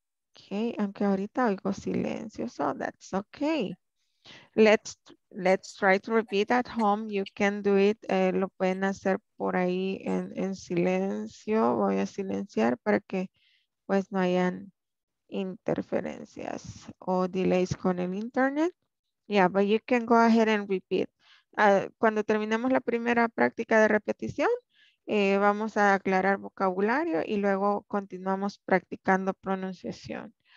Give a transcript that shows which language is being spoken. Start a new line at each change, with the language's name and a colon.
Spanish: Okay, aunque ahorita oigo silencio,
English: so that's okay. Let's try to repeat at home. You can do it.
Spanish: Lo pueden hacer por ahí en silencio. Voy a silenciar para que pues no hayan interferencias o delays con el internet.
English: Yeah, but you can go ahead and repeat.
Spanish: Cuando terminemos la primera práctica de repetición, vamos a aclarar vocabulario y luego continuamos practicando pronunciación.